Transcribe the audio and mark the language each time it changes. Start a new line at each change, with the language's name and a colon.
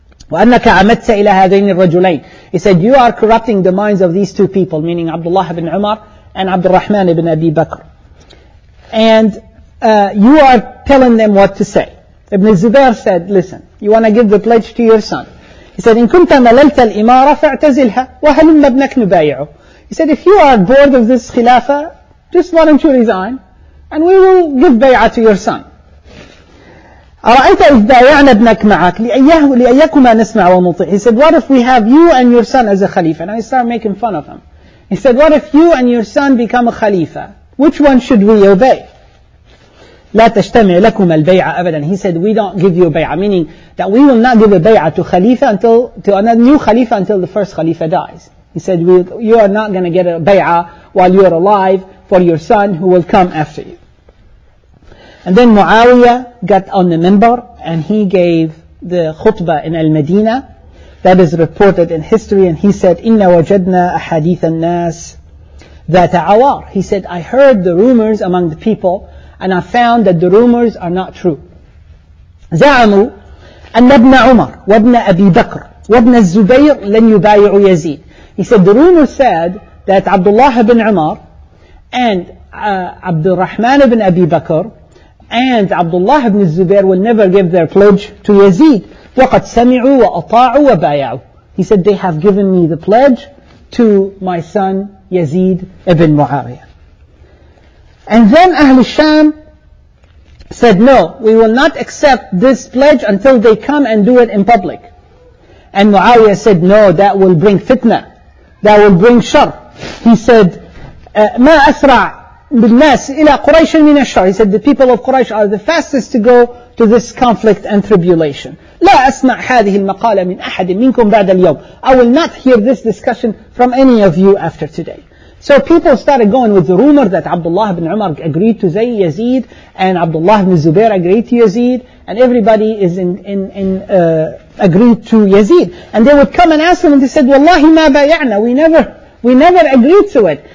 Arabic: وَأَنَّكَ عَمَدْتَ إِلَى هَذَيْنِ الرَّجُلَيْنِ.
English: He said, you are corrupting the minds of these two people, meaning Abdullah ibn Umar and Abdul Rahman ibn Abi Bakr. And you are telling them what to say. Ibn Zubair said, listen, you want to give the pledge to your son. He said,
Arabic: إِن كُنْتَ مَلَلْتَ الْإِمَارَ فَاعْتَزِلْهَا وَهَلُمَّ ابْنَكَ نُبَايِعُ.
English: He said, if you are bored of this khilafah, just why don't you resign, and we will give bay'ah to your son.
Arabic: أَرَأَيْتَ إِذْ بَايَعْنَا ابْنَكَ مَعَكَ لِأَيَّكُمَا نَسْمَعَ وَنُطِعَ.
English: He said, what if we have you and your son as a khalifa? And I started making fun of him. He said, what if you and your son become a khalifa? Which one should we obey?
Arabic: لا تجتمع لكم البيعة أبدا.
English: He said, we don't give you a bay'ah, meaning that we will not give a bay'ah to khalifa until, to another new khalifa until the first khalifa dies. He said, you are not going to get a bay'ah while you are alive for your son who will come after you. And then Muawiyah got on the minbar and he gave the khutbah in Al-Madina that is reported in history. And he said,
Arabic: إِنَّ وَجَدْنَا أَحَدِيثَ النَّاسِ ذَاتَ عَوَارِ.
English: He said, I heard the rumors among the people and I found that the rumors are not true.
Arabic: زَعَمُوا أَنَّ ابْنَ عُمَرَ وَابْنَ أَبِي بَكْرَ وَابْنَ الزُّبَيْرَ لَنْ يُبَايِعُوا يَزِيدَ.
English: He said, the rumor said that Abdullah ibn Umar and Abdul Rahman ibn Abi Bakr and Abdullah ibn Zubair will never give their pledge to Yazid.
Arabic: وَقَدْ سَمِعُوا وَأَطَاعُوا وَبَايَعُوا.
English: He said, they have given me the pledge to my son Yazid ibn Muawiyah. And then Ahl al-Sham said, no, we will not accept this pledge until they come and do it in public. And Muawiyah said, no, that will bring fitna. That will bring shar. He said,
Arabic: مَا أَسْرَعْ بِالنَّاسِ إِلَى قُرَيْشٍ مِنَ الشَّرِ.
English: He said, the people of Quraysh are the fastest to go to this conflict and tribulation.
Arabic: لا أسمع هذه المقالة من أحد منكم بعد اليوم.
English: I will not hear this discussion from any of you after today. So people started going with the rumor that Abdullah ibn Umar agreed to Yazid and Abdullah ibn Zubair agreed to Yazid and everybody is agreed to Yazid. And they would come and ask him and they said,
Arabic: Wallahi ma bay'na,
English: we never agreed to it.